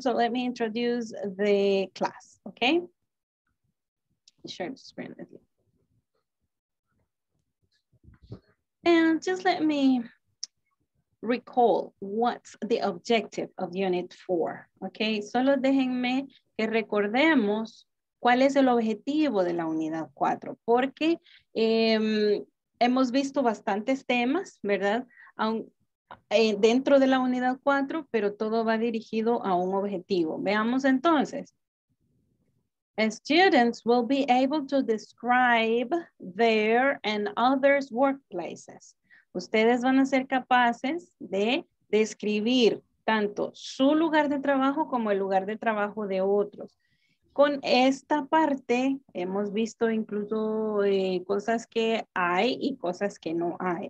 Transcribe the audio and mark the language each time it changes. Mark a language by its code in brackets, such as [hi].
[en] So let me introduce the class, okay? Share the screen with you. And just let me recall what's the objective of unit 4, okay? [es] Solo déjenme que recordemos cuál es el objetivo de la unidad 4, porque hemos visto bastantes temas, ¿verdad? dentro de la unidad 4, pero todo va dirigido a un objetivo. Veamos entonces. [en] Students will be able to describe their and others' workplaces. [es] Ustedes van a ser capaces de describir tanto su lugar de trabajo como el lugar de trabajo de otros. Con esta parte, hemos visto incluso cosas que hay y cosas que no hay.